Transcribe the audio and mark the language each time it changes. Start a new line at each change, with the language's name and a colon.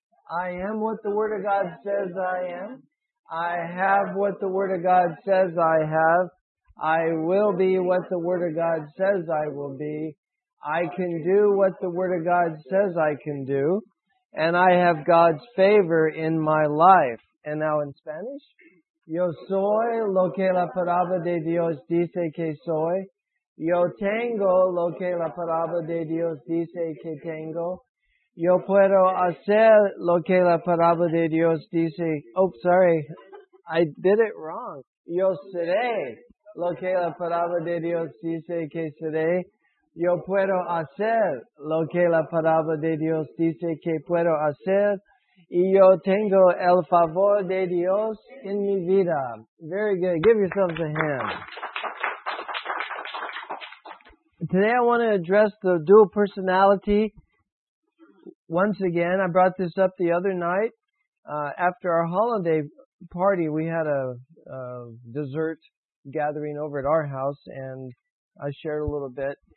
English: I am what the Word of God says I am. I have what the Word of God says I have. I will be what the Word of God says I will be. I can do what the Word of God says I can do. And I have God's favor in my life. And now in Spanish?
Spanish: Yo soy lo que la palabra de Dios dice que soy. Yo tengo lo que la palabra de Dios dice que tengo. Yo puedo hacer lo que la palabra de Dios dice.
English: Oh, sorry. I did it wrong.
Spanish: Yo seré lo que la palabra de Dios dice que seré. Yo puedo hacer lo que la palabra de Dios dice que puedo hacer. Y yo tengo el favor de Dios en mi vida.
English: Very good. Give yourselves a hand. Today I want to address the dual personality. Once again, I brought this up the other night. After our holiday party, we had a dessert gathering over at our house, and I shared a little bit.